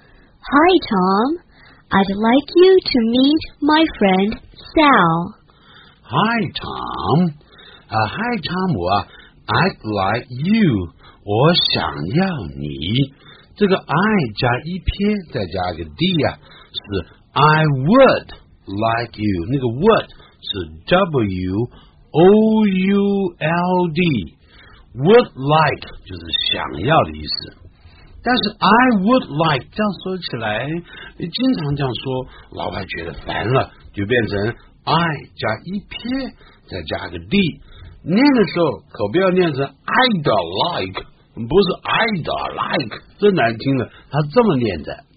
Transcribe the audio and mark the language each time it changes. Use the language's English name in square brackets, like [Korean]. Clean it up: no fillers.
[English] Hi Tom， I'd like you to meet my friend Sal。 Hi Tom， Hi Tom， I'd like you， [Chinese] 我想要你。这个 I 加一撇，再加个 D 啊，是 I would。 Like you， 那个 would 是 would， would like 就是想要的意思。但是 I would like 这样说起来，经常这样说，老外觉得烦了，就变成 I 加一撇，再加个 D， 念的时候可不要念成 I'd like，不是 I'd or like， 这难听了，它这么念的。